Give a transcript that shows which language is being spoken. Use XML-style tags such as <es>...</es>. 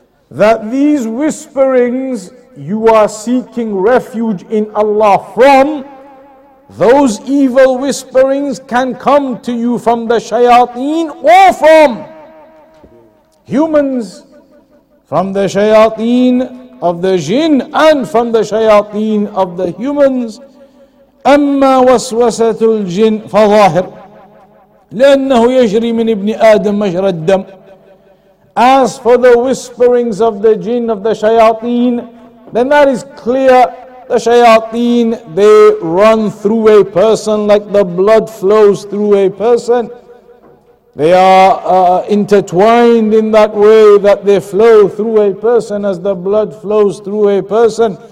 <en>That these whisperings you are seeking refuge in Allah from, those evil whisperings can come to you from the shayateen or from humans, from the shayateen of the jinn and from the shayateen of the humans.</en> <ar>أما وسوسة الجن فظاهر لأنه يجري من ابن آدم مجرى الدم.</ar> <en>As for the whisperings of the jinn, of the shayateen, then that is clear. The shayateen, they run through a person like the blood flows through a person. They are intertwined in that way, that they flow through a person as the blood flows through a person.</en>